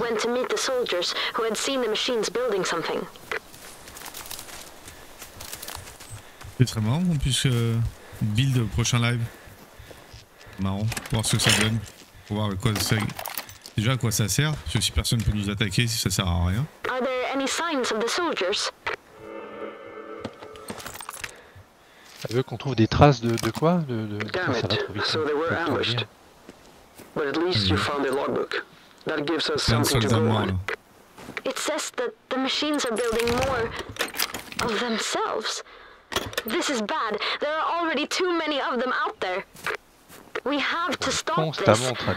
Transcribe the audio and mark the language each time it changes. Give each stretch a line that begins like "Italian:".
English: Went to meet the soldiers who had seen the machines building something.
French: C'est très marrant qu'on puisse build au prochain live. Marrant, voir ce que ça donne. Pour voir à quoi ça... Déjà à quoi ça sert, parce que si personne ne peut nous attaquer, si ça sert à rien.
English: Are there any signs of the soldiers?
French: Elle veut qu'on trouve des traces de quoi de...
English: Damn it.
French: Ça va trop vite.
English: So they were ambushed. But at least you found the logbook. That gives us something to go on. It says that the machines are building more of themselves. This is bad. There are already too many of them out there. We have to stop this.